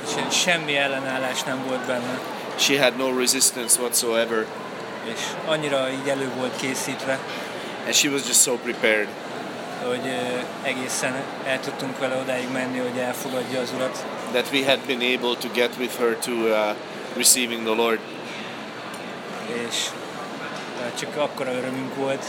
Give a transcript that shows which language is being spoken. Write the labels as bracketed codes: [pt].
[hu] Semmi ellenállás nem volt benne. [en] She had no resistance whatsoever. [hu] És annyira így elő volt készítve. [en] And she was just so prepared. [hu] Hogy egészen el tudtunk vele odáig menni, hogy elfogadja az Urat. [en] That we had been able to get with her to receiving the Lord. [hu] És csak akkora örömünk volt.